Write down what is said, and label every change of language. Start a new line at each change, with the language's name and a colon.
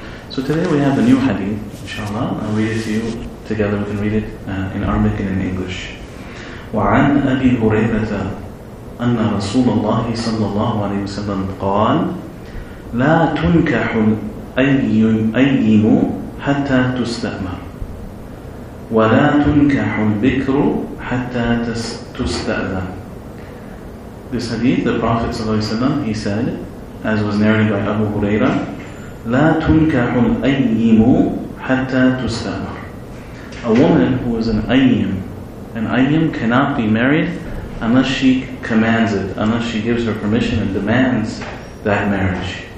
English: So today we have a new hadith, inshallah. I'll read it to you together. We can read it in Arabic and in English.
Arabic: وعن أبي هريرة أن رسول الله صلى الله عليه وسلم قال لا تنكح الأيم حتى تستأمر ولا تنكح البكر حتى تستأذن.
English: This hadith, the Prophet صلى الله عليه وسلم, he said, as was narrated by Abu Huraira,
Arabic: لا تنكح الأيم حتى تستأمر.
English: A woman who is an ayyim cannot be married unless she commands it, unless she gives her permission and demands that marriage.